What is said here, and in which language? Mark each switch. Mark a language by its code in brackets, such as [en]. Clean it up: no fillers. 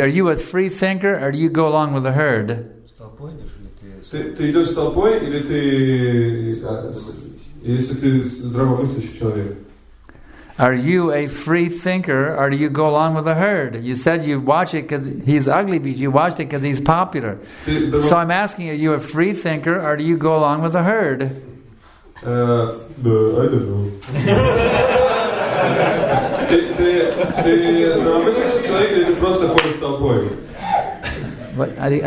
[en] Are you a free thinker or do you go along with the herd? [ru] Ты идешь с толпой или ты здравомыслящий человек? [en] Are you a free thinker, or do you go along with the herd? You said you watch it because he's ugly, but you watched it because he's popular. So I'm asking you, are you a free thinker, or do you go along with the herd? I don't know.